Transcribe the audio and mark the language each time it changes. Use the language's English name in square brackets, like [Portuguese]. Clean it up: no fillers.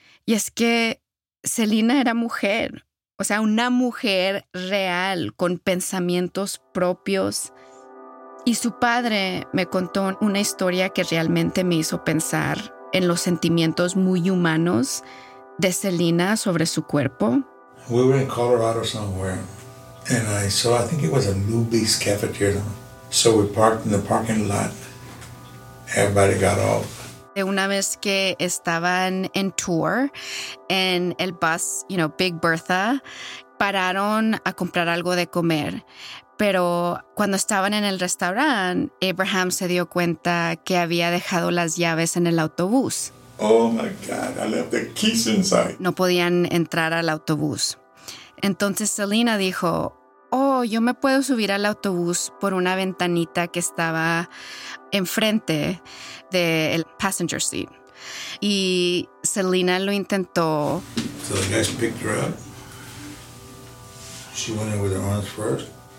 [Spanish] Y es que Selena era mujer, o sea, una mujer real con pensamientos propios. Y su padre me contó una historia que realmente me hizo pensar en los sentimientos muy humanos de Selena sobre su cuerpo. [English] We were in Colorado somewhere. And I saw, I think it was a Luby's cafeteria. So we parked in the parking lot. Everybody got off. [Spanish] De una vez que estaban en tour, en el bus, [English] you know, [Spanish] Big Bertha, pararon a comprar algo de comer. Pero cuando estaban en el restaurante, Abraham se dio cuenta que había dejado las llaves en el autobús. [English] Oh my God, I left the keys inside. [Spanish] No podían entrar al autobús. Entonces Selena dijo, oh, yo me puedo subir al autobús por una ventanita que estaba enfrente del [English] passenger seat. [Spanish] Y Selena lo intentó. [English] So the guys picked her up. She went in with her arms first.